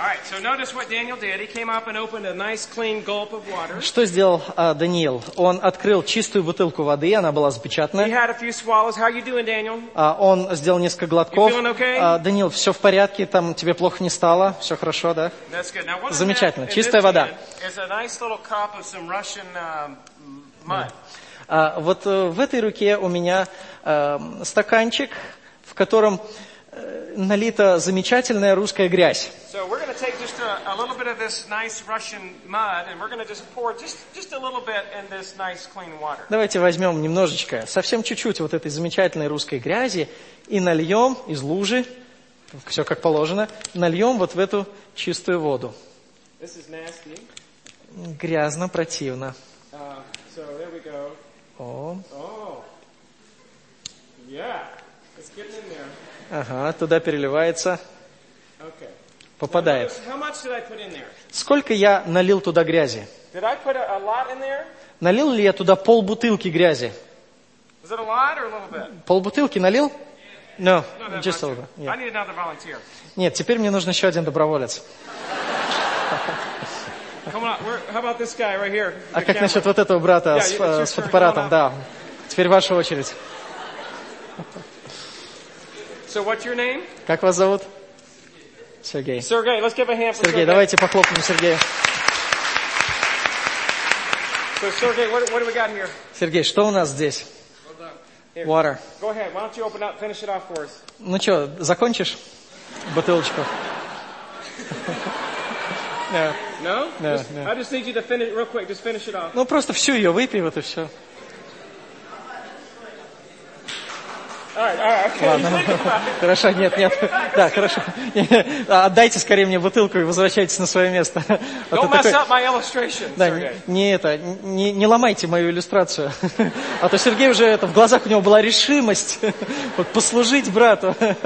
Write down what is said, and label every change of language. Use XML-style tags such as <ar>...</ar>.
<en>So notice what Daniel did. He came up and opened a nice clean gulp of water.</en> <ru>Что сделал Даниил? Он открыл чистую бутылку воды, она была запечатана.</ru> <en>He had a few swallows. How are you doing, Daniel?</en> <ru>Он сделал несколько глотков.</ru> <en>You feeling okay?</en> <ru>Даниил, все в порядке, там тебе плохо не стало, все хорошо, да?</ru> <en>That's good. Now, what</en> <ru>замечательно,</ru> <en>that,</en> <ru>чистая вода.</ru> <en>It's a nice little cup of some Russian mud.</en> <ru>Вот в этой руке у меня стаканчик, в котором налита замечательная русская грязь.</ru> <en>So we're going to take just a little bit of this nice Russian mud and we're going to just pour just a little bit in this nice clean water.</en> <ru>Давайте возьмем немножечко, совсем чуть-чуть вот этой замечательной русской грязи и нальем из лужи, все как положено, нальем вот в эту чистую воду.</ru> <en>This is nasty.</en> <ru>Грязно, противно.</ru> <en>So there we go. Yeah, it's getting in there.</en> <ru>Ага, туда переливается.</ru> <en>Okay.</en> <ru>Попадает.</ru> <en>How much did I put in there?</en> <ru>Сколько я налил туда грязи?</ru> <en>Did I put a lot in there?</en> <ru>Налил ли я туда полбутылки грязи?</ru> <en>Is it a lot or a little bit?</en> <ru>Полбутылки налил?</ru> <en>No, no just a little bit. Yeah. I need another volunteer.</en> <ru>Нет, теперь мне нужен еще один доброволец.</ru> <en>Come on, how about this guy right here?</en> <ru>А как насчет вот этого брата с фотоаппаратом? Да, теперь ваша очередь.</ru> <en>So what's your name?</en> <ru>Как вас зовут? Сергей.</ru> <en>Сергей, let's give a hand for</en> <ru>Сергей. Давайте похлопаем Сергею.</ru> <en>So Сергей, what do we got here?</en> <ru>Сергей, что у нас здесь? Water.</ru> <en>Go ahead. Why don't you open up, finish it off for us?</en> <ru>Ну что, закончишь бутылочку?</ru> <en>No. I just need you to finish real quick. Just finish it off.</en> <ru>Ну просто всю ее выпей, вот и все.</ru> <en>All right, okay.</en> <ru>Ладно. Хорошо, нет. Да, хорошо. Отдайте скорее мне бутылку и возвращайтесь на свое место.</ru> <en>Don't mess up my illustration, Sergey.</en> <ru>Да, не ломайте мою иллюстрацию. А то Сергей уже в глазах у него была решимость вот послужить брату.</ru>